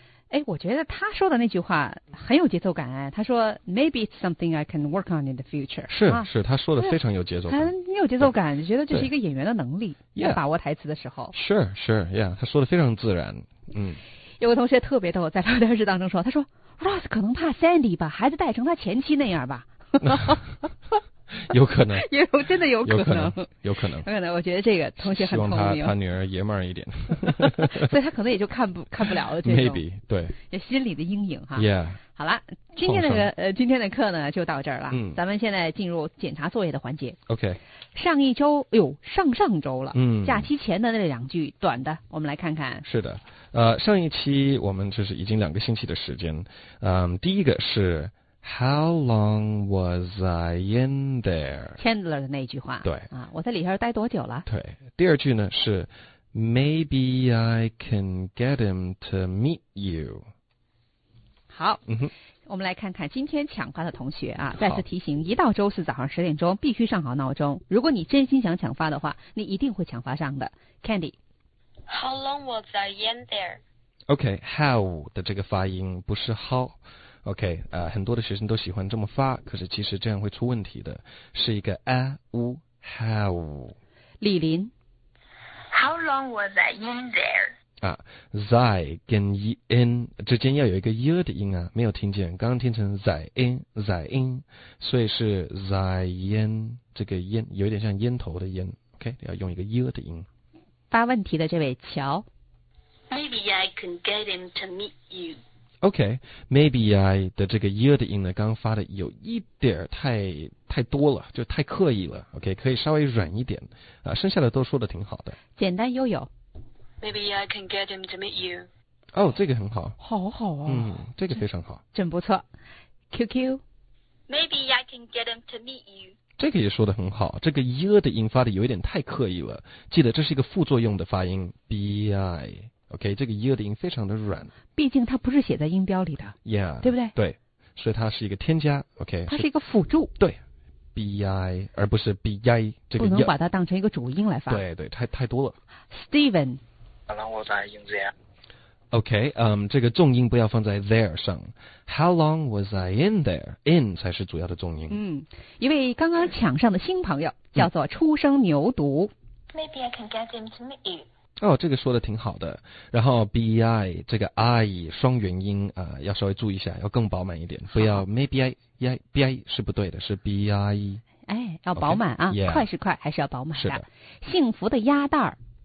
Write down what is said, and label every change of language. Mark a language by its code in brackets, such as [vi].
[zh] 哎，我觉得他说的那句话很有节奏感。他说 [en] Maybe it's something I can work on in the future。 [zh] 是、啊、是，他说的非常有节奏感，很有节奏感，觉得这是一个演员的能力，把握台词的时候。是是、 [en] yeah, [zh] 他说的非常自然。有个同学特别逗，在聊天室当中说，他说Ross 可能怕 Sandy 把孩子带成他前妻那样吧。有可能。有，真的有可能。有可能。有可能。有可能，我觉得这个同学很聪明。希望他女儿爷们儿一点。所以他可能也就看不了这种。 [en] Maybe, [zh] 对。也心里的阴影哈。 [en] Yeah。 [zh] 好了，今天的课呢就到这儿了。咱们现在进入检查作业的环节。 [en] OK。 [zh] 上一周，哎呦，上周了。假期前的那两句短的，我们来看看。是的，上一期我们就是已经两个星期的时间。第一个是 [en] How long was I in there? [zh] Chandler 的那句话。对。啊，我在里边待多久了？对。第二句呢是 [en] Maybe I can get him to meet you. [zh] 好。嗯哼。我们来看看今天抢发的同学啊，再次提醒，一到周四早上十点钟必须上好闹钟。如果你真心想抢发的话，你一定会抢发上的。 [en] Candy。 How long was I in there? [zh] Okay, how 的这个发音不是 how。OK, 很多的学生都喜欢这么发，可是其实这样会出问题的，是一个 a, u, how. 李林 [en] How long was I in there? [zh] 啊 ,zai 跟 in 之间要有一个 y 的音啊，没有听见，刚刚听成 zai in, zai in, 所以是 zai in, 这个 in, 有点像烟头的 in, OK, 要用一个 y 的音。发问题的这位乔 [en] Maybe I can get him to meet you. [zh] Okay, maybe I 的这个 y 的音呢，刚刚发的有一点太多了，就太刻意了。 OK, 可以稍微软一点，啊，剩下的都说的挺好的，简单悠悠。 [en] Maybe I can get him to meet you. [zh] 哦，这个很好，好好啊，嗯，这个非常好，真不错。QQ, [en] maybe I can get him to meet you. [zh] 这个也说得很好，这个 y 的音发的有一点太刻意了，记得这是一个副作用的发音 bi， OK， 这个 y 的音非常的软，毕竟它不是写在音标里的， [en] yeah， [zh] 对不对？对，所以它是一个添加， OK，它是一个辅助，对， bi 而不是 bi， 这个不能把它当成一个主音来发，对对，太多了。 [en] Steven， [zh] 好了，我在英子呀。 [en] OK， [zh] 这个重音不要放在 there 上。 [en] How long was I in there? [zh] In 才是主要的重音。嗯，一位刚刚抢上的新朋友叫做初生牛犊。 [en] Maybe I can get him to meet you. [zh] 哦，这个说的挺好的。然后 B I 这个 I 双元音啊，要稍微注意一下，要更饱满一点，不要 maybe I I 是不对的，是 B I。哎，要饱满啊， [en] okay? yeah. [zh] 快是快，还是要饱满的。是的，幸福的鸭蛋儿。